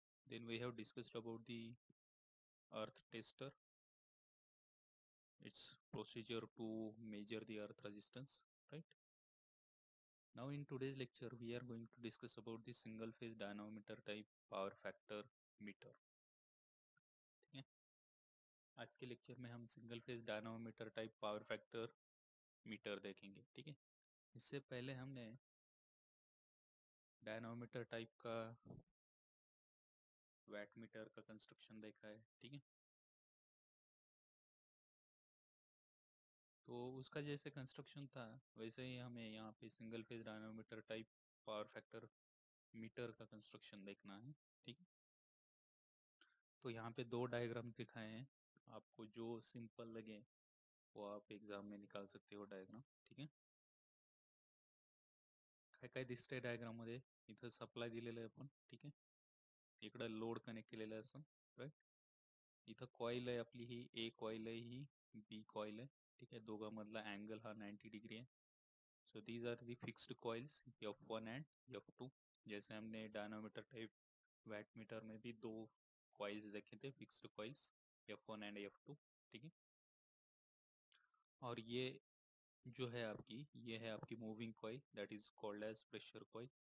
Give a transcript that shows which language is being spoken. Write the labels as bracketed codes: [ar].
[en] Then we have discussed about the Earth Tester, its procedure to measure the earth resistance, right? Now in today's lecture, we are going to discuss about the single phase dynamometer type power factor meter. [hi] आज के lecture में हम single phase dynamometer type power factor metre देखेंगे, ठीक है। इससे पहले हमने डायनामोमीटर टाइप का वैट मीटर का कंस्ट्रक्शन देखा है, ठीक है। तो उसका जैसे कंस्ट्रक्शन था, वैसे ही हमें यहाँ पे single phase dynamometer type power factor metre का कंस्ट्रक्शन देखना है, ठीक है। तो यहाँ पे दो डायग्राम दिखाए हैं, आपको जो सिंपल लगे वो आप एग्जाम में निकाल सकते हो डायग्राम, ठीक है। [mr] काय काय दिसते डायग्राम मध्ये, इथे सप्लाय दिलेले आपण, [hi] ठीक है। [mr] इकडे लोड कनेक्ट केलेले असं, राइट। इथे कॉइल आहे आपली, ही ए कॉइल आहे, ही बी कॉइल आहे, [hi] ठीक है। [mr] दोघा मधला अँगल हा 90 डिग्री आहे। [en] So these are the fixed coils F1 and F2। [hi] जैसे हमने डायनामीटर टाइप वॅट मीटर में भी दो कॉइल्स देखे थे, fixed coils F1 and F2, ठीक है। और ये जो है आपकी, ये है आपकी moving coil, [en] That is called as pressure coil.